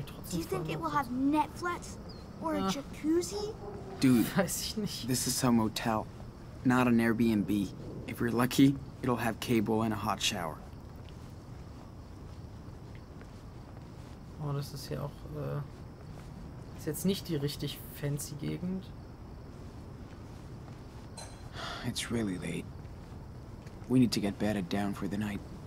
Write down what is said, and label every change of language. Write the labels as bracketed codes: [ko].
[en] Do you think it will have Netflix or a jacuzzi? Dude, this is some motel, not an Airbnb. If you're lucky, it'll have cable and a hot shower. [de] Oh, das ist hier auch, ist jetzt nicht die richtig fancy Gegend. [en] It's really late. We need to get bedded down for the night.